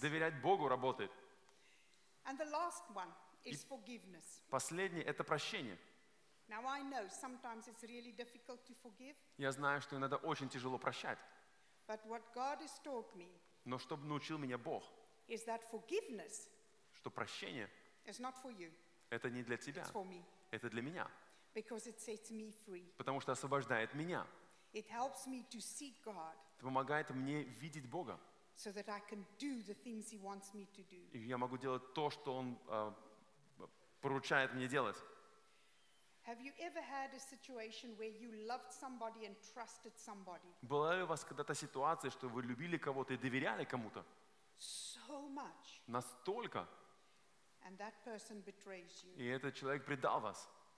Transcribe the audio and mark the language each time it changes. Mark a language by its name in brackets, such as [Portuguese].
[Russian] Доверять Богу работает. [English] And the last one is forgiveness. [Russian] Последнее — это прощение. [English] Now I know sometimes it's really difficult to forgive. [Russian] Я знаю, что иногда очень тяжело прощать. [English] But what God has taught me. [Russian] Но что научил меня Бог? [English] Is that forgiveness? [Russian] Что прощение? [English] It's not for you. [Russian] Это не для тебя. [English] It's for me. [Russian] Это для меня. [English] Because it sets me free. [Russian] Потому что освобождает меня. [English] It helps me to see God. [Russian] Помогает мне видеть Бога. [English] So that I can do the things He wants me to do. [Russian] И я могу делать то, что Он поручает мне делать. [English] Have you ever had a situation where you loved somebody and trusted somebody? [Russian] Была ли у вас когда-то ситуация, что вы любили кого-то и доверяли кому-то? [English] So much. [Russian] Настолько. [English] And that person betrays you. [Russian] И этот человек предал вас.